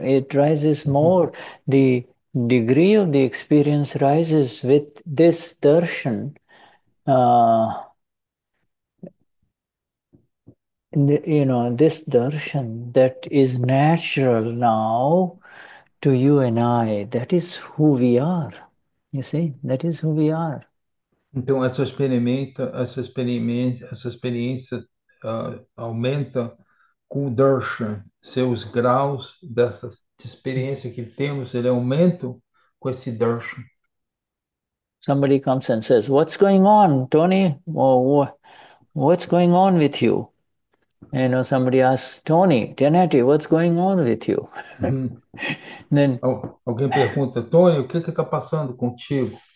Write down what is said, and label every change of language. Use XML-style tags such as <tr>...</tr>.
<en>It rises more, the degree of the experience rises with this darshan. This darshan that is natural now to you and I, that is who we are. You see, that is who we are.</en> <pt>Então, essa experiência aumenta com o darshan, seus graus dessa experiência que temos, ele aumenta com esse darshan.</pt> <en>Somebody comes and says, "What's going on, Tony? What's going on with you?" You know, somebody asks, "Tony, Tenetti, what's going on with you?" Then</en> <pt>Alguém pergunta, Tony, o que que está passando contigo?</pt>